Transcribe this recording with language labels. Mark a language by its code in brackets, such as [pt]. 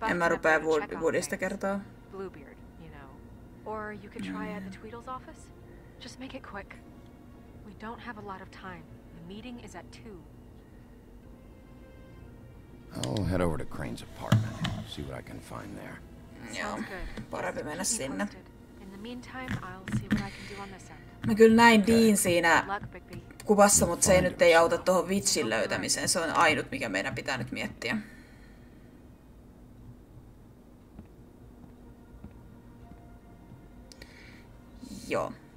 [en] Bob to check on Bluebeard, you know. Or you could try at the Tweedle's office. Just make it quick. We don't have a lot of time. The meeting is at 2. I'll head over to Crane's apartment, see what I can find there. [fi] Joo, parempi mennä sinne. [en] In the meantime, I'll see what I can do on this end. [fi] Mä kyllä näin Dean siinä kuvassa, mutta se ei nyt ei auta tohon vitsin löytämiseen. Se on ainut, mikä meidän pitää nyt miettiä. Joo.